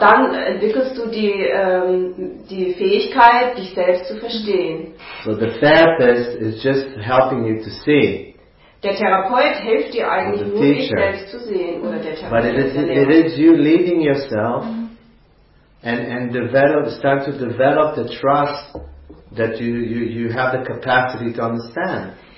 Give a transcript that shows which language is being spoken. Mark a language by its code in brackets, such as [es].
[de] Dann entwickelst du die Fähigkeit, dich selbst zu verstehen. [en] So the therapist is just helping you to see. [de] Der Therapeut hilft dir eigentlich nur, dich selbst zu sehen, oder der Therapeut. [en] But it is you leading yourself and start to develop the trust that you have the capacity to understand.